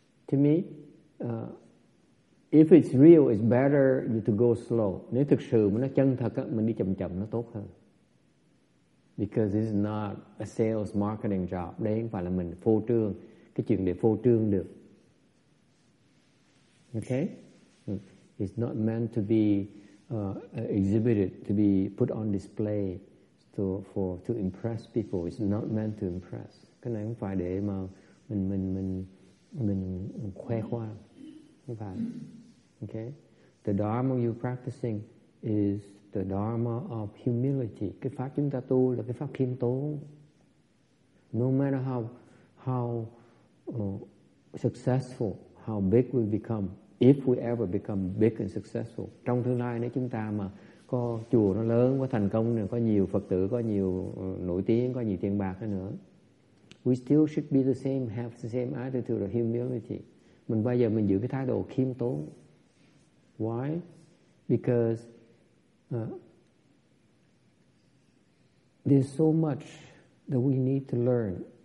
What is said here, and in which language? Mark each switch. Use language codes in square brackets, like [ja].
[en] To me, if it's real, it's better to go slow. [vi] Nếu thực sự mà nó chân thật á, mình đi chậm chậm nó tốt hơn. [en] Because this is not a sales marketing job. [vi] Đây không phải là mình phô trương, cái chuyện để phô trương được. [en] Okay? It's not meant to be exhibited, to be put on display to impress people. It's not meant to impress. [vi] Cái này không phải để mà mình khoe khoang. Không phải. Okay? [en] The Dharma you're practicing is the Dharma of humility. [vi] Cái pháp chúng ta tu là cái pháp khiêm tốn. [en] No matter how successful, how big we become, if we ever become big and successful, [vi] trong tương lai nếu chúng ta mà có chùa nó lớn, có thành công, có nhiều Phật tử, có nhiều nổi tiếng, có nhiều tiền bạc nữa, [en] we still should be the same, have the same attitude of humility. [vi] Mình bao giờ mình giữ cái thái độ khiêm tốn. [en] Why? Because there's so much that we need to learn.